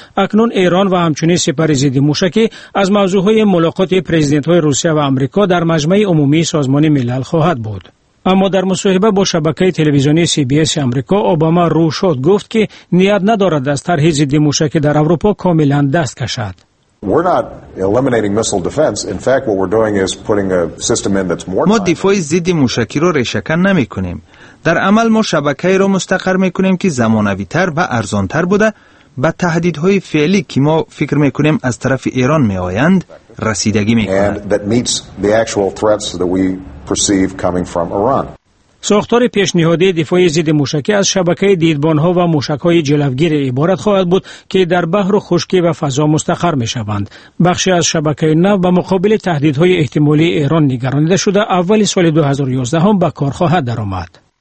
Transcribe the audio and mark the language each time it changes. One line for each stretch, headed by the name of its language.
Persian: اکنون ایران و همچنین سپر ضد موشکی از موضوع های ملاقات پرزیدنت های روسیه و آمریکا در مجمع عمومی سازمان ملل خواهد بود. اما در مصاحبه با شبکه تلویزیونی سی بی اس امریکا اوباما رو شد گفت که نیت ندارد از طرح ضد موشک در اروپا کاملا دست کشد.
English: We're not eliminating missile defense. In fact, what we're doing is putting a system in that's more.
Persian: ما دفاع ضد موشکی را ریشه‌کن نمی‌کنیم. در عمل ما شبکه‌ای را مستقر می‌کنیم که زمانوی‌تر و ارزان‌تر بوده با تهدیدهای فعلی که ما فکر می‌کنیم از طرف ایران می‌آیند رسیدگی می‌کند.
English: And that meets the actual threats that we perceive coming from Iran.
Persian: ساختار پیشنهادی دفاع ضد موشکی از شبکه دیدبان‌ها و موشک‌های جلوگیر عبارت خواهد بود که در بحر و خشکی و فضا مستقر می‌شوند. بخشی از شبکه نو به مقابل تهدیدهای احتمالی ایران نگرانیده شده اول سال 2011 هم به کار خواهد درآمد.